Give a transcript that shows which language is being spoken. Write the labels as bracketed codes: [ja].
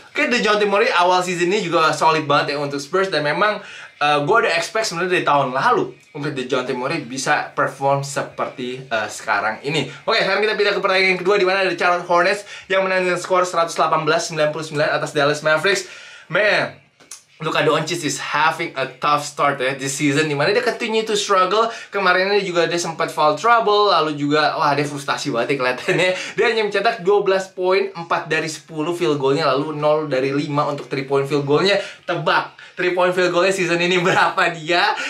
[id] Kayak DeJounte Murray awal season ini juga solid banget ya untuk Spurs. Dan memang gue udah expect sebenarnya dari tahun lalu untuk DeJounte Murray bisa perform seperti sekarang ini. Oke, sekarang kita pindah ke pertandingan yang kedua, di mana ada Charlotte Hornets yang menang dengan skor 118-99 atas Dallas Mavericks. [en] Man, Luka Doncic is having a tough start ya this season, [id] dimana dia [en] continue to struggle. [id] Kemarin ini juga dia sempat foul trouble, lalu juga wah dia frustasi banget ya kelihatannya. Dia hanya mencetak 12 poin, 4 dari 10 field goalnya, lalu 0 dari 5 untuk 3 point field goalnya. Tebak 3 point field goalnya season ini berapa dia?